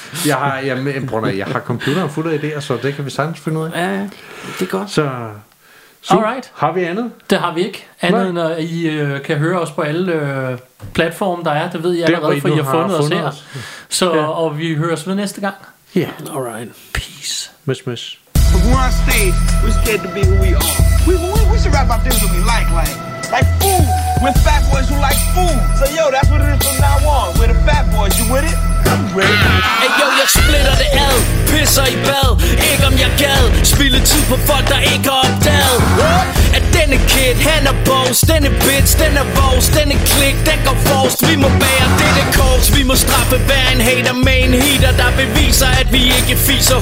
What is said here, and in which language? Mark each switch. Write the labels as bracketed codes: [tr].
[da] Jeg har computeren fuld af idéer, så det kan vi sagtens finde ud af. Ja, det er godt. Så... Alright. Har vi andet? Det har vi ikke. Andet end at I kan høre os på alle platforme der er. Det ved I allerede, for I har fundet os her. Så ja. Og vi hører os ved næste gang. Ja. Yeah. Alright. [en] Peace. Miss. From where I stay, we're scared to be who we are. We should rap about things that we like food. With fat boys who like food. So yo, that's what it is from now on. We're the fat boys, you with it? [da] Hey yo, jeg splitter det ad. Pisser i bad. Ikke om jeg gad. Spilde tid på folk, der ikke har opdaget, at denne kid Han er boss, den er bitch, den er vores. Den er klik, den går forrest. Vi må bære det, det kors. Vi må straffe hver en hater med en heater, der beviser, at vi ikke fiser.